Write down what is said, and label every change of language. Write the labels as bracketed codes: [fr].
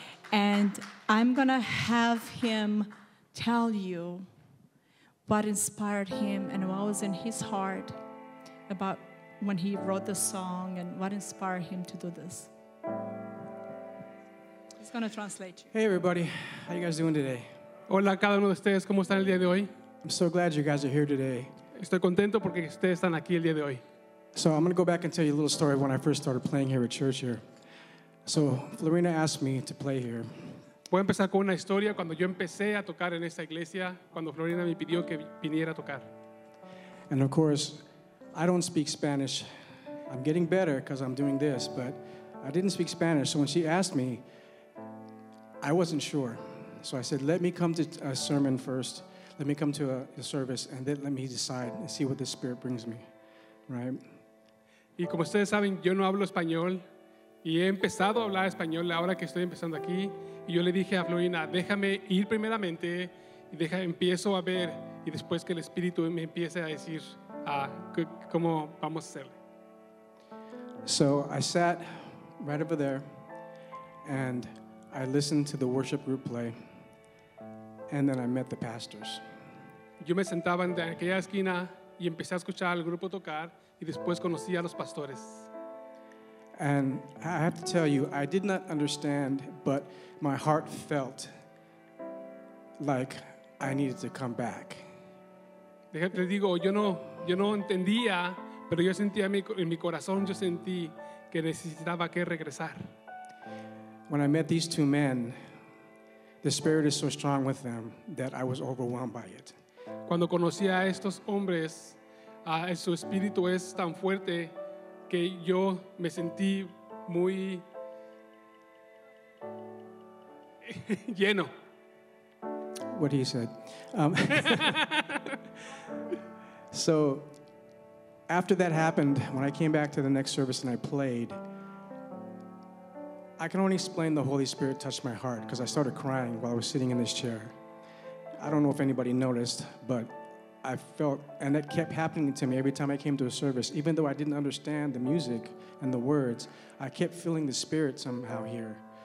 [en] And I'm going to have him tell you what inspired him and what was in his heart about when he wrote the song and what inspired him to do this. He's going to translate you. Hey, everybody. How are you guys doing today? [es] Hola, cada uno de ustedes. ¿Cómo están el día de hoy? [en] I'm so glad you guys are here today. [es] Estoy contento porque ustedes están aquí el día de hoy. [en] So I'm going to go back and tell you a little story of when I first started playing here at church here. So Florina asked me to play here. [es] Voy a empezar con una historia cuando yo empecé a tocar en esta iglesia, cuando Florina me pidió que viniera a tocar. [en] And of course, I don't speak Spanish. I'm getting better because I'm doing this, but I didn't speak Spanish. So when she asked me, I wasn't sure. So I said, let me come to a sermon first. Let me come to a service and then let me decide and see what the Spirit brings me, right? [es] Y como ustedes saben, yo no hablo español y he empezado a hablar español ahora que estoy empezando aquí. Y yo le dije a Florina, déjame ir primeramente y deja, empiezo a ver y después que el Espíritu me empiece a decir cómo vamos a hacerle. [en] So I sat right over there and I listened to the worship group play and then I met the pastors. [es] Yo me sentaba en aquella esquina y empecé a escuchar al grupo tocar y después conocí a los pastores. [en] And I have to tell you, I did not understand, but my heart felt like I needed to come back. [es] Déjate digo, yo no entendía, pero yo sentía en mi corazón, yo sentí que necesitaba que regresar. [en] When I met these two men, the Spirit is so strong with them that I was overwhelmed by it. [es] Cuando conocí a estos hombres, su espíritu es tan fuerte que yo me sentí muy lleno. [en] What he said. So after that happened, when I came back to the next service and I played, I can only explain the Holy Spirit touched my heart because I started crying while I was sitting in this chair. I don't know if anybody noticed, but I felt, and that kept happening to me every time I came to a service, even though I didn't understand the music and the words, I kept feeling the Spirit somehow here.